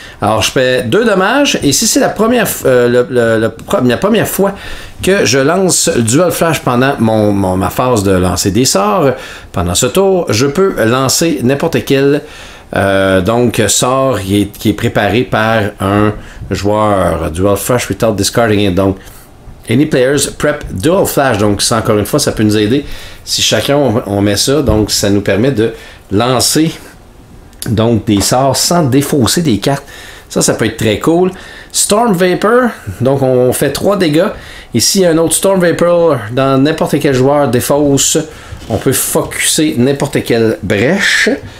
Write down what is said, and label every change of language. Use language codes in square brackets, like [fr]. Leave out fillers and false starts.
[fr] Alors, je fais 2 dommages, et si c'est la première, la première fois que je lance Dual Flash pendant ma phase de lancer des sorts, pendant ce tour, je peux lancer n'importe quel sort qui est préparé par un joueur. [en] Dual Flash without discarding it. [fr] Donc, [en] any players prep Dual Flash. [fr] Donc, ça, encore une fois, ça peut nous aider. Si chacun, on met ça, donc ça nous permet de lancer... Donc, des sorts sans défausser des cartes. Ça peut être très cool. Storm Vapor. Donc, on fait 3 dégâts. Et s'il y a un autre Storm Vapor dans n'importe quel joueur défausse, on peut focusser n'importe quelle brèche.